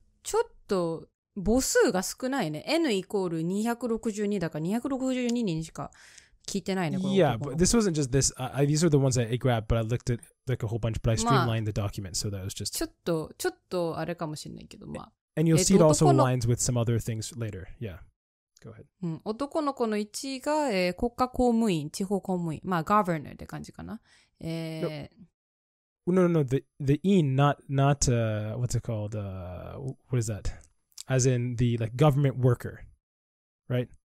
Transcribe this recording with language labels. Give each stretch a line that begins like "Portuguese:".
Japanese: ちょっと母数が少ないね。N イコール262だから262人しか聞いてないね。いや、
English: but this wasn't just this. These are the ones that I grabbed, but I looked at like a whole bunch, but I streamlined the document, so that was just.
Japanese: ちょっとあれかもしれないけど、まあ。
English: And you'll see it also aligns with some other things later. Yeah. Go ahead.
Japanese: 男の子の1位が、国家公務員、地方公務員。まあ、governor って感じかな。
English: No. The what's it called? What is that? As in the like government worker, right?